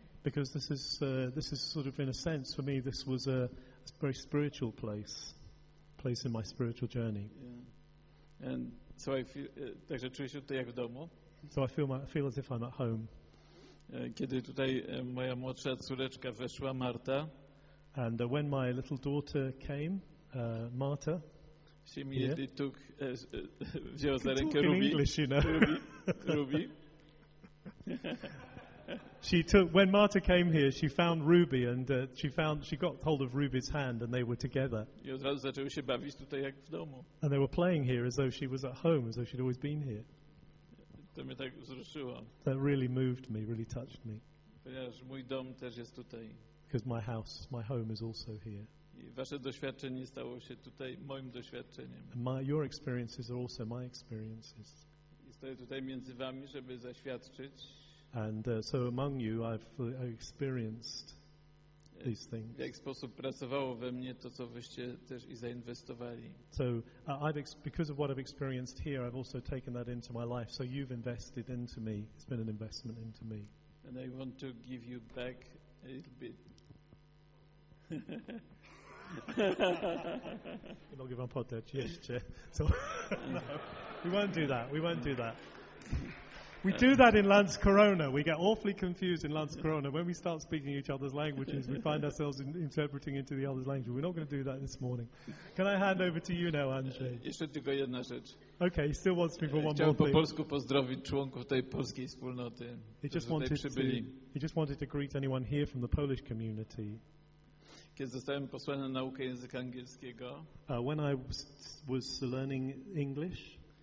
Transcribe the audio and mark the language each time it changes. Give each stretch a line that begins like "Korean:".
English: Because this is sort of in a sense for me this was a very spiritual place in my spiritual journey. Yeah. And so I feel,
Polish: także czuję się tutaj jak w domu.
English: So I feel as if I'm at home.
Polish: Kiedy tutaj moja młodsza córeczka weszła, Marta.
English: And when my little daughter came, Marta. She immediately took,
Polish: wzięła za rękę Ruby.
English: English, you know. Ruby. She took when Marta came here. She found Ruby and she got hold of Ruby's hand and they were together.
Polish: I od razu zaczęły się bawić tutaj jak w domu.
English: And they were playing here as though she was at home, as though she'd always been here.
Polish: To mnie tak wzruszyło.
English: That really moved me, really touched me.
Polish: Ponieważ mój dom też jest tutaj.
English: Because my house, my home is also here.
Polish: I wasze doświadczenie stało się tutaj moim doświadczeniem.
English: And your experiences are also my experiences.
Polish: I stoję tutaj między wami, żeby zaświadczyć.
English: And so among you, I've experienced these things.
Polish: W jaki sposób pracowało we mnie to, co wyście też i zainwestowali.
English: So because of what I've experienced here, I've also taken that into my life. So you've invested into me. It's been an investment into me. And I want to give you back a little bit.
Polish: Mogę wam podać jeszcze.
English: So We won't do that. We do that in Lance Corona. We get awfully confused in Lance Corona. When we start speaking each other's languages, we find ourselves interpreting into the other's language. We're not going to do that this morning. Can I hand over to you now, Andrzej?
Polish: Jeszcze tylko jedna rzecz.
English: Okay, he still wants me for one
Polish: chciałbym
English: more thing.
Polish: Po polsku pozdrowić członków tej polskiej wspólnoty.
English: He just wanted to greet anyone here from the Polish community.
Polish: Kiedy zostałem posłany na naukę języka angielskiego.
English: When I was learning English.